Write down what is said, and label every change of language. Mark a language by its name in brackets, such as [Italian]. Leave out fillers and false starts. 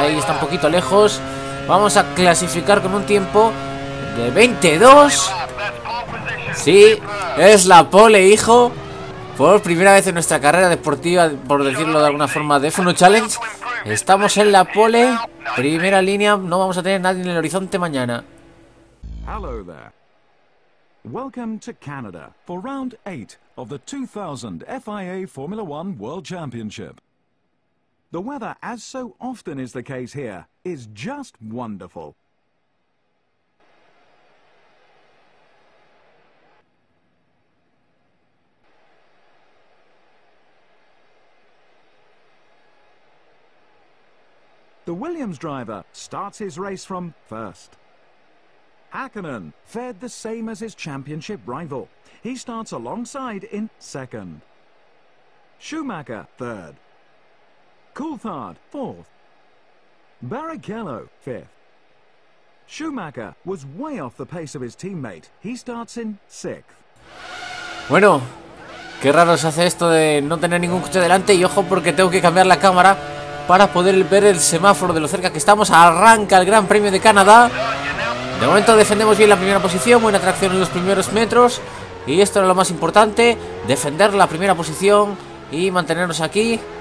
[Spanish] Ahí está un poquito lejos. Vamos a clasificar con un tiempo de 22. Sí, es la pole, hijo. Por primera vez en nuestra carrera deportiva, por decirlo de alguna forma, de F1 Challenge, estamos en la pole, primera línea. No vamos a tener nadie en el horizonte mañana. [English] Hello there. Welcome to Canada for round 8 of the 2000 FIA Formula 1 World Championship. The weather, as so often is the case here, is just wonderful. The Williams driver starts his race from first. Hakkinen fared the same as his championship rival. He starts alongside in second. Schumacher, third. Coulthard, fourth. Barrichello, fifth. Schumacher was way off the pace of his teammate. He starts in sixth. [Spanish] Bueno, qué raro se hace esto de no tener ningún coche delante, y ojo porque tengo que cambiar la cámara para poder ver el semáforo de lo cerca que estamos. Arranca el Gran Premio de Canadá. De momento defendemos bien la primera posición, buena tracción en los primeros metros, y esto es lo más importante, defender la primera posición y mantenernos aquí.